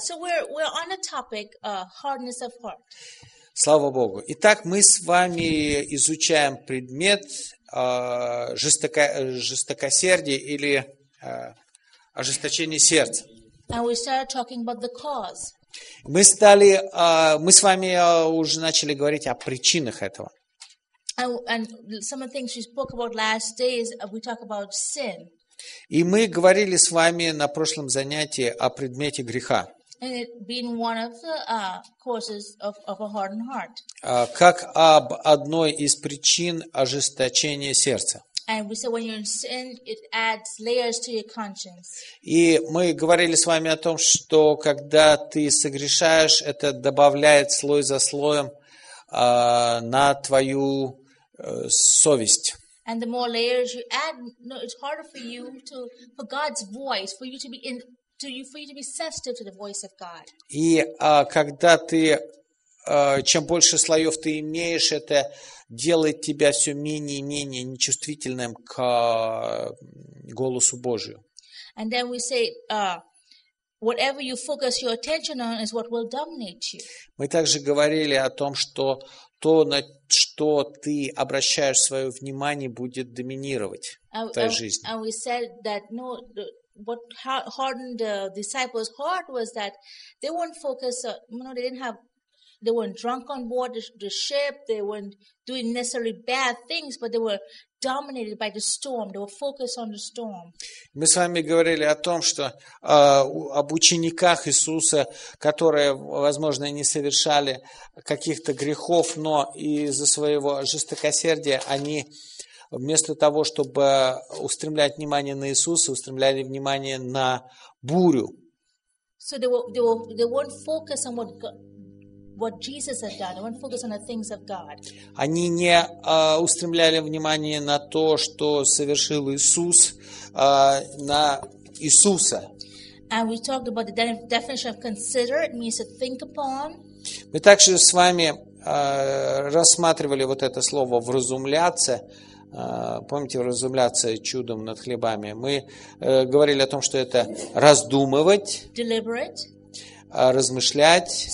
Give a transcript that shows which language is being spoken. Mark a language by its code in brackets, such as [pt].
[en] So we're on a topic, hardness of heart. [ru] Слава Богу. Итак, мы с вами изучаем предмет жестокосердия или ожесточение сердца. [en] And we started talking about the cause. [ru] Мы с вами уже начали говорить о причинах этого. [en] And some of the things we spoke about last day is we talk about sin. [ru] И мы говорили с вами на прошлом занятии о предмете греха. [en] And it being one of the causes of a hardened heart. [ru] Как об одной из причин ожесточения сердца. [en] And we said when you're in sin, it adds layers to your conscience. [ru] И мы говорили с вами о том, что когда ты согрешаешь, это добавляет слой за слоем на твою совесть. [en] And the more layers you add, it's harder for you to for God's voice, for you to be in, to you for you to be sensitive to the voice of God. [ru] И когда ты чем больше слоев ты имеешь, это делает тебя все менее и менее нечувствительным к голосу Божию. [en] And then we say, whatever you focus your attention on is what will dominate you. [ru] Мы также говорили о том, что то, на что ты обращаешь свое внимание, будет доминировать в твоей жизни. [en] And we said that, no, what hardened the disciples' heart was that they weren't focused, they didn't have, they weren't drunk on board the ship, they weren't doing necessarily bad things, but they were dominated by the storm, they were focused on the storm. [ru] Мы с вами говорили о том, что об учениках Иисуса, которые, возможно, не совершали каких-то грехов, но из-за своего жестокосердия они вместо того, чтобы устремлять внимание на Иисуса, устремляли внимание на бурю. [en] So they weren't focused on what Jesus had done. They weren't focused on the things of God. [ru] Они не устремляли внимание на то, что совершил Иисус, на Иисуса. [en] And we talked about the definition of consider. It means to think upon. [ru] Мы также с вами рассматривали вот это слово «вразумляться». Помните, вразумляться чудом над хлебами. Мы говорили о том, что это раздумывать, размышлять,